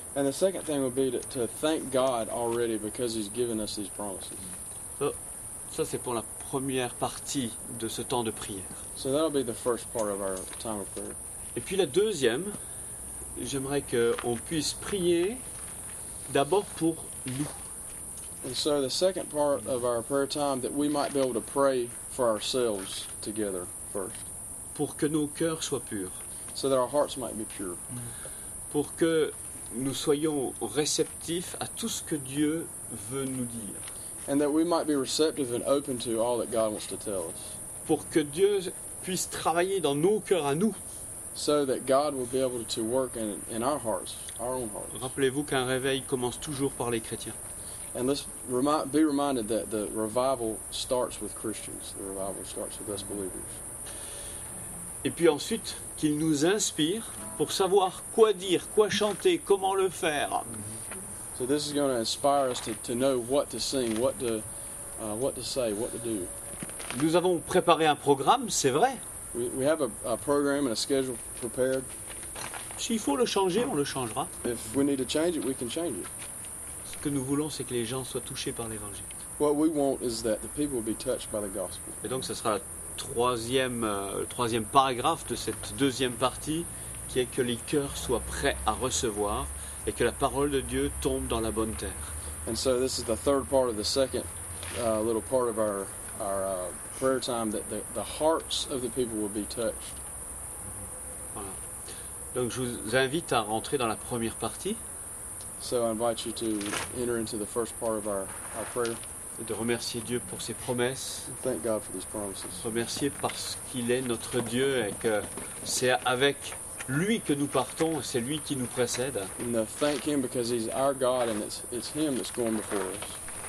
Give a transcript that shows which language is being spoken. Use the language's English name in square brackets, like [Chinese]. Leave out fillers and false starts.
[English] And the second thing would be to thank God already because He's given us these promises. [French] Ça c'est pour la première partie de ce temps de prière. [English] So that'll be the first part of our time of prayer. [French] Et puis la deuxième, j'aimerais qu'on puisse prier d'abord pour nous. [English] And so the second part of our prayer time, that we might be able to pray for ourselves together first. [French] Pour que nos cœurs soient purs. [English] So that our hearts might be pure. [French] Pour que nous soyons réceptifs à tout ce que Dieu veut nous dire. [English] And that we might be receptive and open to all that God wants to tell us. [French] Pour que Dieu puisse travailler dans nos cœurs à nous. [English] So that God will be able to work in our hearts, our own hearts. [French] Rappelez-vous qu'un réveil commence toujours par les chrétiens. [English] And let's be reminded that the revival starts with Christians. The revival starts with us believers. [French] Et puis ensuite, qu'il nous inspire pour savoir quoi dire, quoi chanter, comment le faire. [English] So this is going to inspire us to know what to sing, what to say, what to do. [French] Nous avons préparé un programme, c'est vrai. [English] We have a program and a schedule prepared. [French] S'il faut le changer, on le changera. [English] If we need to change it, we can change it. [French] Ce que nous voulons, c'est que les gens soient touchés par l'Évangile. [English] What we want is that the people will be touched by the gospel. [French] Et donc, ce sera le troisième paragraphe de cette deuxième partie, qui est que les cœurs soient prêts à recevoir et que la parole de Dieu tombe dans la bonne terre. [English] And so this is the third part of the second little part of our prayer time, that the hearts of the people will be touched. [French] Voilà. Donc je vous invite à rentrer dans la première partie. [English] So I invite you to enter into the first part of our prayer. [French] Et de remercier Dieu pour ses promesses. [English] Thank God for these promises. [French] Remercier parce qu'il est notre Dieu et que c'est avec lui que nous partons et c'est lui qui nous précède. [English] And thank him because he's our God and it's him that's going before us.